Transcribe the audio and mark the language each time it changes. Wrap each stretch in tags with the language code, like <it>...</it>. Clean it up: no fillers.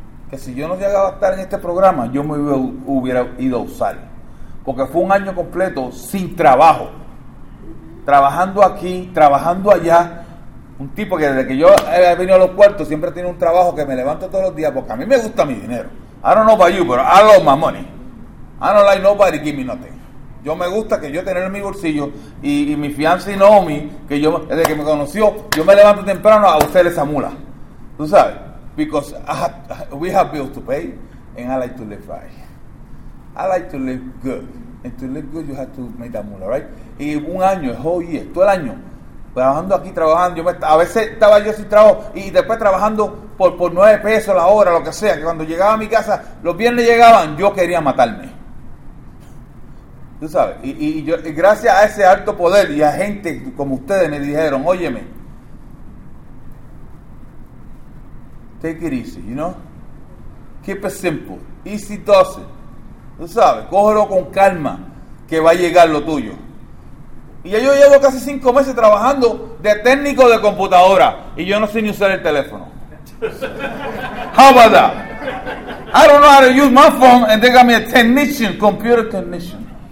<es>Que si yo no llegaba a estar en este programa, yo me hubiera ido a usar. Porque fue un año completo sin trabajo. Trabajando aquí, trabajando allá. Un tipo que desde que yo he venido a los puertos siempre tiene un trabajo que me levanto todos los días porque a mí me gusta mi dinero.</es> <en>I don't know about you, but I love my money. I don't like nobody give me nothing.</en> <es>Yo me gusta que yo tener en mi bolsillo y mi fiancé Naomi, que yo desde que me conoció, yo me levanto temprano a usar esa mula. Tú sabes.</es> <en>Because we have bills to pay, and I like to live right. I like to live good. And to live good, you have to make that money, right?</en> <es>Y un año, el</es> <en>whole year,</en> <es>todo el año, trabajando aquí, trabajando. A veces estaba yo sin trabajo, y después trabajando por 9 pesos la hora, lo que sea, que cuando llegaba a mi casa, los viernes llegaban, yo quería matarme. Tú sabes, y gracias a ese alto poder, y a gente como ustedes me dijeron, óyeme,</es> <en>take it easy, you know? Keep it simple. Easy does it.</en> <es>Tú sabes, cógelo con calma, que va a llegar lo tuyo. Y yo llevo casi 5 meses trabajando de técnico de computadora y yo no sé ni usar el teléfono.</es> <en>How about that? I don't know how to use my phone and they got me a technician, computer technician.</en>